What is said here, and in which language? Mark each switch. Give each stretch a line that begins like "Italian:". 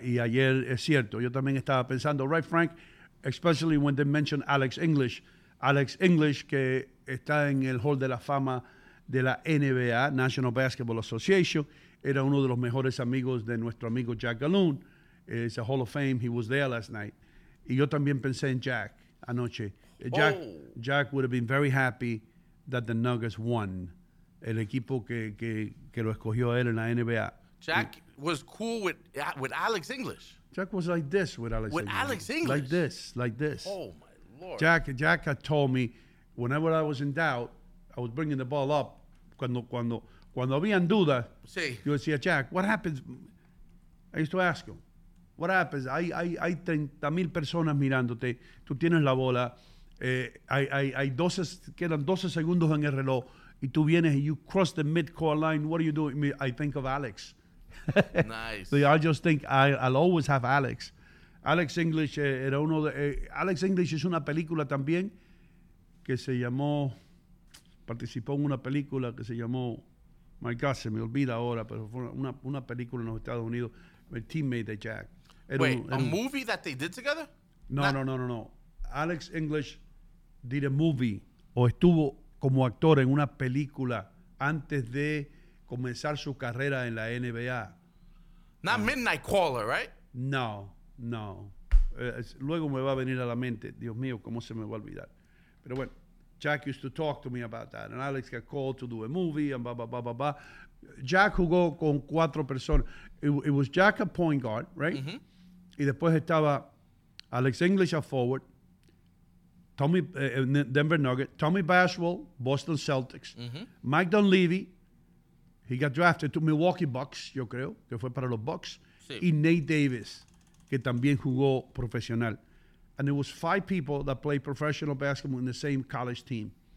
Spanish: Y ayer, es cierto, yo también estaba pensando, right, Frank?
English: Especially when they mention Alex English.
Spanish: Alex English, que está en el Hall de la Fama de la NBA, National Basketball Association, era uno de los mejores amigos de nuestro amigo Jack Gilloon.
English: It's a Hall of Fame. He was there last night.
Spanish: Y yo también pensé en Jack.
English: Anoche, Jack would have been very happy that the Nuggets won.
Spanish: El equipo que lo escogió él en la NBA.
English: Jack was cool with Alex English. Jack was like this with Alex English. With Alex English? Like this. Oh, my Lord. Jack had told me, whenever I was in doubt, I was bringing the ball up.
Spanish: Cuando habían duda, sí. Yo decía,
English: Jack, what happens? I used to ask him. What happens?
Spanish: Hay 30 mil personas mirándote. Tú tienes la bola. Hay 12, quedan 12 segundos en el reloj. Y tú vienes
English: and you cross the mid-court line. What are you doing? I think of Alex. Nice. So I just think I'll always have Alex.
Spanish: Alex English era uno de... Alex English es una película también que se llamó... Participó en una película que se llamó...
English: My God,
Spanish: se me olvida ahora, pero fue una película en los Estados Unidos. El teammate de Jack.
English: Wait, a movie that they did together? No.
Spanish: Alex English
English: did a movie
Spanish: o estuvo como actor en una película antes de comenzar su carrera en la NBA.
English: Not Midnight Caller, right? No.
Spanish: Luego me va a venir a la mente. Dios mío, cómo se me va a olvidar. Pero bueno,
English: Jack used to talk to me about that. And Alex got called to do a movie and blah, blah, blah, blah, blah. Jack
Spanish: jugó con cuatro personas.
English: It was Jack a point guard, right? Mm-hmm.
Spanish: Y después estaba Alex English a forward, Tommy Denver Nugget, Tommy Bashwell, Boston Celtics, mm-hmm. Mike Dunleavy,
English: he got drafted to
Spanish: Milwaukee Bucks, yo creo, que fue para los Bucks, sí. Y Nate Davis, que también jugó profesional.
English: And it was five people that played professional basketball in the same college team.